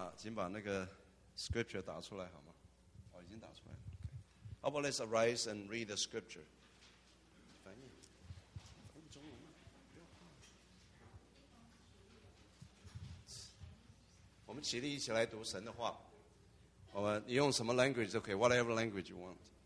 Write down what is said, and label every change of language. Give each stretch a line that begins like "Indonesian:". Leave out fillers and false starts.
Chinese: 请把那个 scripture 打出来好吗？哦，已经打出来了。Okay.
English: Oh, well, let's arise and read the scripture.
Chinese: 翻译。我们起立一起来读神的话。我们你用什么 language 都可以 ， whatever language you want。